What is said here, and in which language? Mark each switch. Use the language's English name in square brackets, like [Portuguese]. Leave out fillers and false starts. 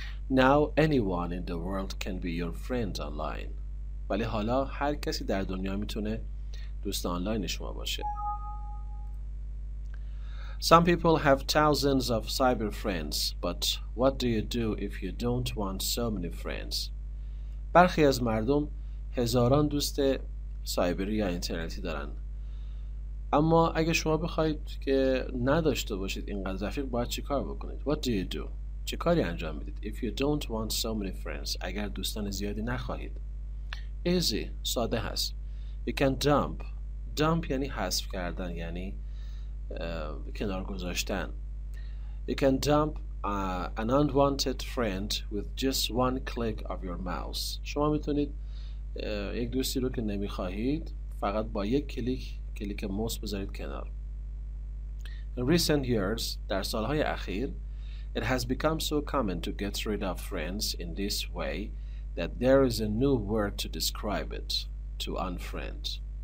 [English] Now anyone in the world can be your friend online. [Persian] ولی حالا هر کسی در دنیا میتونه دوست آنلاین شما باشه. [English] Some people have thousands of cyber friends, but what do you do if you don't want so many friends? [Persian] برخی از مردم هزاران دوست سایبری یا اینترنتی دارن. اما اگه شما بخواید که نداشته باشید اینقدر رفیق، باید چی کار بکنید؟ [English] What do you do? [Persian] چه کاری انجام میدید؟ [English] If you don't want so many friends, [Persian] اگر دوستان زیادی نخواهید. [English] Easy, [Persian] ساده هست. [English] You can dump. [Persian] Dump یعنی حذف کردن، یعنی کنار گذاشتن. [English] You can dump an unwanted friend with just one click of your mouse. [Persian] شما میتونید یک دوستی رو که نمیخواهید فقط با یک کلیک موس بذارید کنار. [English] In recent years, [Persian] در سالهای اخیر, [English] it has become so common to get rid of friends in this way that there is a new word to describe it, to unfriend.